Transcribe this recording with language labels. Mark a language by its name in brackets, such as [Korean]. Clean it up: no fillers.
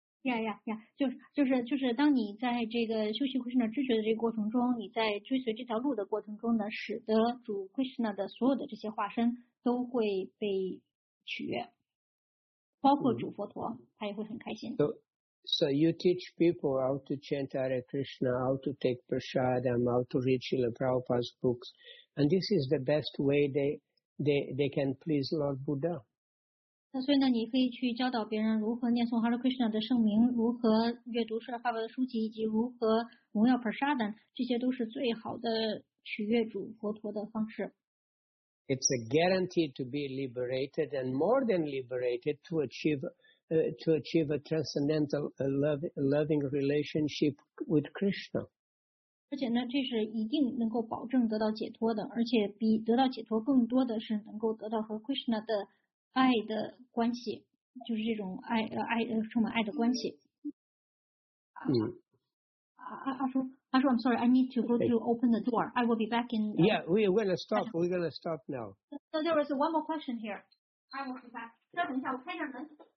[English] Yeah, yeah, yeah. [Chinese] 就是当你在这个修习 Krishna 知觉的这个过程中，你在追随这条路的过程中呢，使得主 Krishna 的所有的这些化身都会被取悦，包括主佛陀，他也会很开心。 [English] So you teach people how to chant Hare Krishna, how to take prasadam, how to read Srila Prabhupada's books. And this is the best way they can please Lord Buddha. [Chinese] 那所以呢，你可以去教导别人如何念诵 Hare Krishna 的圣名，如何阅读Srila Prabhupada的书籍，以及如何荣耀 prasadam， 这些都是最好的取悦主佛陀的方式。 [English] It's a guarantee to be liberated and more than liberated to achieve a transcendental loving relationship with Krishna. [Chinese] 而且呢，这是一定能够保证得到解脱的，而且比得到解脱更多的是能够得到和 Krishna 的爱的关系，就是这种充满爱的关系。嗯。 [English] 阿叔 ，I'm sorry, I need to go to open the door. I will be back in. Yeah, we're gonna stop. We're gonna stop now. So there is one more question here. I will be back. [Chinese] 再等一下，我开下门。